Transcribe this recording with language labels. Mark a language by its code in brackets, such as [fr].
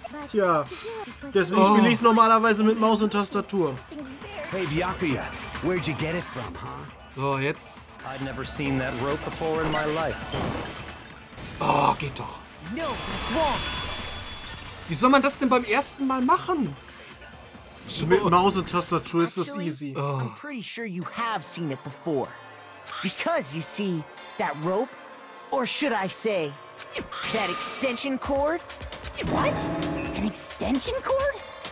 [de] Tja, deswegen spiele ich es normalerweise mit Maus und Tastatur. [en] Hey, Byakuya, where'd you get it from, huh? [de] So, jetzt. [en] I'd never seen that rope before in my life. [de] Oh, geht doch. [en] No, that's wrong. [de] Wie soll man das denn beim ersten Mal machen? So. Mit Maus und Tastatur ist das easy. [en] I'm pretty sure you have seen it before. Because, you see, that rope. Or should I say, that extension cord? What? An extension cord?